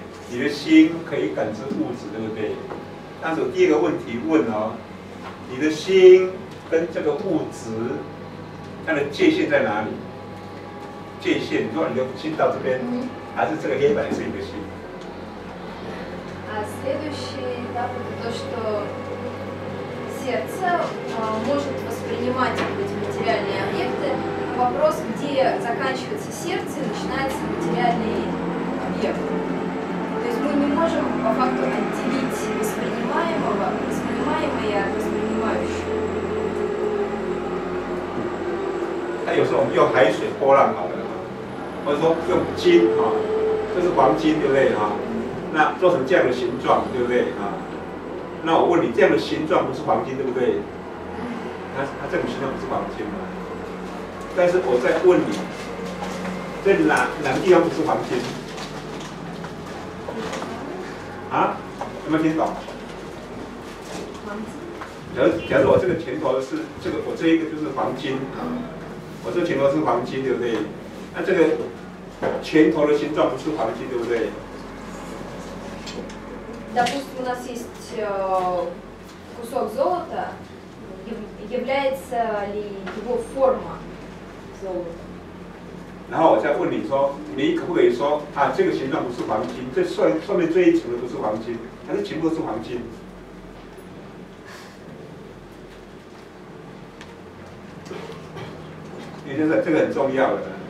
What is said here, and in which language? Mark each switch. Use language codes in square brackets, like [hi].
[zh] 你的心可以感知物质，对不对？但是第二个问题问哦，你的心跟这个物质，它的界限在哪里？界限，你说你的心到这边，还是这个黑板是你的心？ [ru] следующий этап то, что сердце может воспринимать эти материальные объекты. Вопрос, где заканчивается сердце и начинается материальный объект. То есть мы не можем по факту отделить воспринимаемого, воспринимаемое от воспринимающего. [zh] А 有时候我们用海水波浪好了，或者说用金啊，这是黄金对不对啊？那做成这样的形状对不对啊？那我问你，这样的形状不是黄金，对不对？它这种形状不是黄金吗？但是我在问你，在哪个地方不是黄金？啊？有没有听懂？黄金。假如我这个拳头是这个，我这一个就是黄金。我这个拳头是黄金，对不对？那这个拳头的形状不是黄金，对不对？ [ru] Допустим, у нас есть кусок золота, является ли его форма золота? [zh] 然后我再问你说，你可不可以说啊，这个形状不是黄金，这上面这一层的不是黄金，还是全部都是黄金？因为这个很重要的。